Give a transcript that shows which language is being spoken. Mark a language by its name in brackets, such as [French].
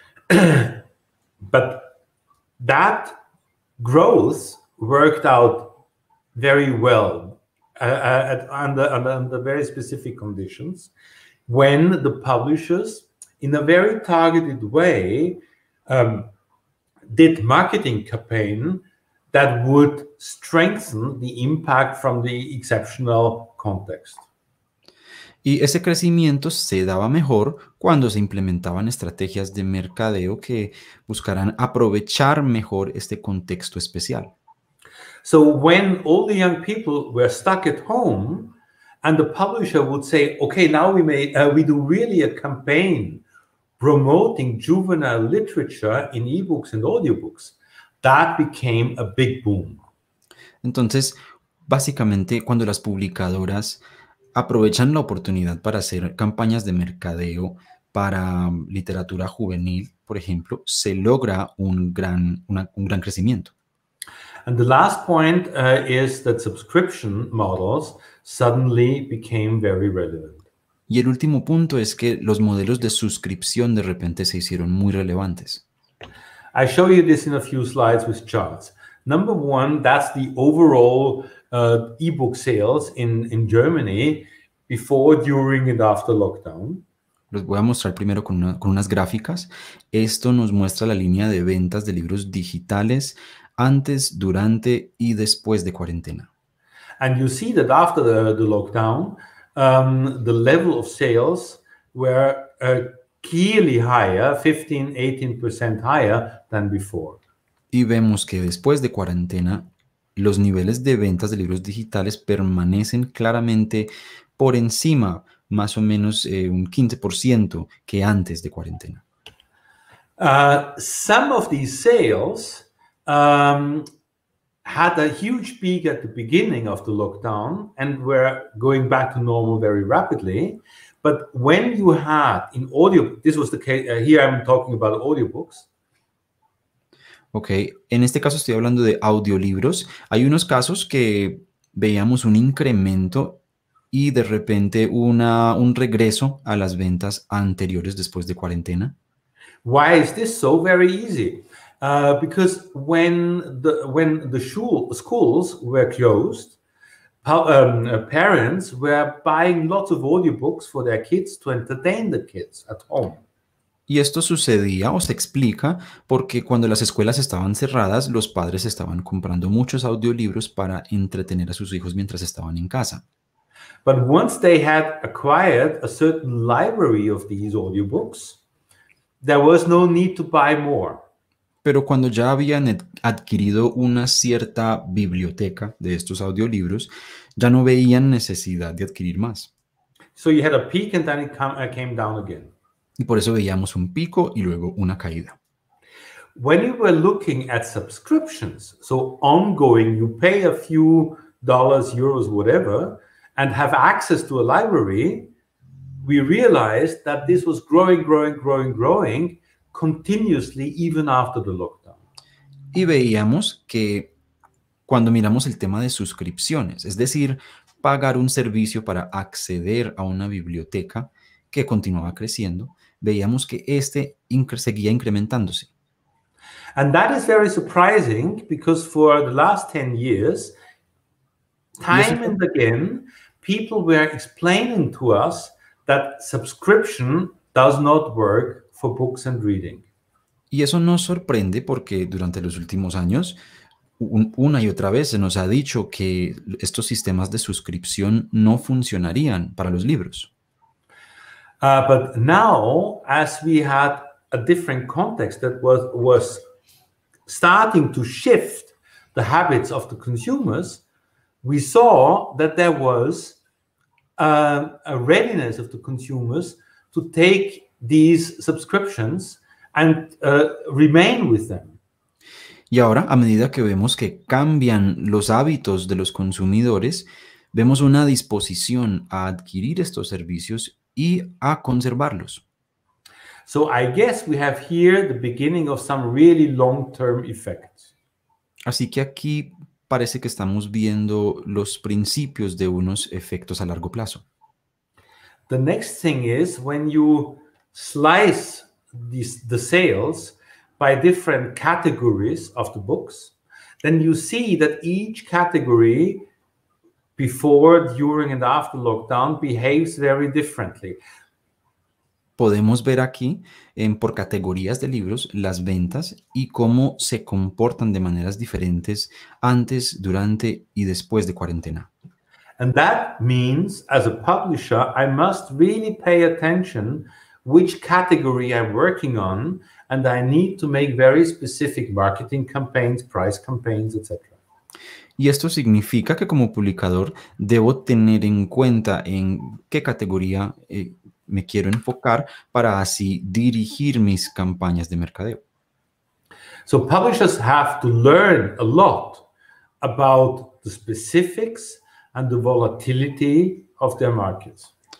[English] But that growth worked out very well under very specific conditions when the publishers, in a very targeted way, did marketing campaign that would strengthen the impact from the exceptional context. [Spanish] Y ese crecimiento se daba mejor cuando se implementaban estrategias de mercadeo que buscaran aprovechar mejor este contexto especial. [English] So when all the young people were stuck at home and the publisher would say, okay, now we do really a campaign promoting juvenile literature in ebooks and audiobooks, that became a big boom. [Spanish] Entonces, básicamente, cuando las publicadoras aprovechan la oportunidad para hacer campañas de mercadeo para literatura juvenil, por ejemplo, se logra un gran crecimiento. [English] And the last point is that subscription models suddenly became very relevant. [Spanish] Y el último punto es que los modelos de suscripción de repente se hicieron muy relevantes. [English] I show you this in a few slides with charts. Number one, that's the overall e-book sales in Germany before, during and after lockdown. [Spanish] Los voy a mostrar primero con unas gráficas. Esto nos muestra la línea de ventas de libros digitales antes, durante y después de cuarentena. [English] And you see that after the lockdown, the level of sales were clearly higher, 15-18% higher than before. [Spanish] Y vemos que después de cuarentena, los niveles de ventas de libros digitales permanecen claramente por encima, más o menos un 15% que antes de cuarentena. [English] Some of these sales had a huge peak at the beginning of the lockdown and were going back to normal very rapidly. But when you had in audio, this was the case, here I'm talking about audiobooks. [Spanish] Okay, en este caso estoy hablando de audiolibros. Hay unos casos que veíamos un incremento y de repente un regreso a las ventas anteriores después de cuarentena. [English] Why is this so very easy? Because when the schools were closed, parents were buying lots of audiobooks for their kids to entertain the kids at home. [Spanish] Y esto sucedía o se explica porque cuando las escuelas estaban cerradas, los padres estaban comprando muchos audiolibros para entretener a sus hijos mientras estaban en casa. [English] But once they had acquired a certain library of these audiobooks, there was no need to buy more. [Spanish] Pero cuando ya habían adquirido una cierta biblioteca de estos audiolibros, ya no veían necesidad de adquirir más. [English] So you had a peak and then it came down again. [Spanish] Y por eso veíamos un pico y luego una caída. [English] When you were looking at subscriptions, so ongoing, you pay a few dollars, euros, whatever, and have access to a library, we realized that this was growing, growing, growing, growing, continuously, even after the lockdown. [Spanish] Y veíamos que cuando miramos el tema de suscripciones, es decir, pagar un servicio para acceder a una biblioteca que continuaba creciendo, veíamos que este seguía incrementándose. [English] And that is very surprising because for the last 10 years, time and again, people were explaining to us that subscription does not work for books and reading. [Spanish] Y eso nos sorprende porque durante los últimos años, una y otra vez se nos ha dicho que estos sistemas de suscripción no funcionarían para los libros. [English] But now, as we had a different context that was starting to shift the habits of the consumers, we saw that there was a readiness of the consumers to take these subscriptions and remain with them. [Spanish] Y ahora, a medida que vemos que cambian los hábitos de los consumidores, vemos una disposición a adquirir estos servicios y a conservarlos. [English] So I guess we have here the beginning of some really long-term effects. [Spanish] Así que aquí parece que estamos viendo los principios de unos efectos a largo plazo. [English] The next thing is when you slice the sales by different categories of the books, then you see that each category before, during, and after lockdown behaves very differently. [Spanish] Podemos ver aquí en por categorías de libros las ventas y cómo se comportan de maneras diferentes antes, durante y después de cuarentena. [English] And that means, as a publisher, I must really pay attention which category I'm working on, and I need to make very specific marketing campaigns, price campaigns, etc. [Spanish] Y esto significa que como publicador debo tener en cuenta en qué categoría me quiero enfocar para así dirigir mis campañas de mercadeo. [English] So publishers have to learn a lot about the specifics and the volatility of their markets.